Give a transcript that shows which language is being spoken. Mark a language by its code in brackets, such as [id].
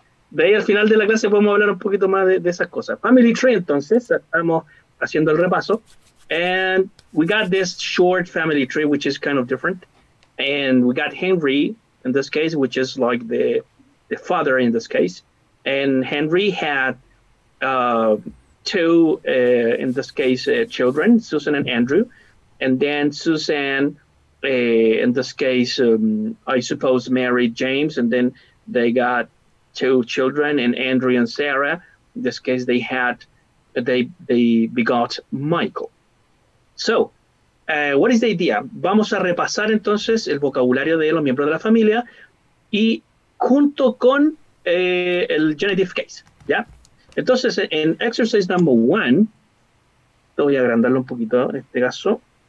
[es] De ahí al final de la clase podemos hablar un poquito más de esas cosas. Family tree, entonces, estamos haciendo el repaso. [en] And we got this short family tree, which is kind of different. And we got Henry, in this case, which is like the father in this case, and Henry had two, in this case, children, Susan and Andrew, and then Susan, in this case, I suppose, married James, and then they got two children, and Andrew and Sarah, in this case, they begot Michael. So, what is the idea? [es] Vamos a repasar entonces el vocabulario de los miembros de la familia, y junto con el genitive case, ¿ya? Entonces, en [en] exercise number one, [es] voy a agrandarlo un poquito en este caso.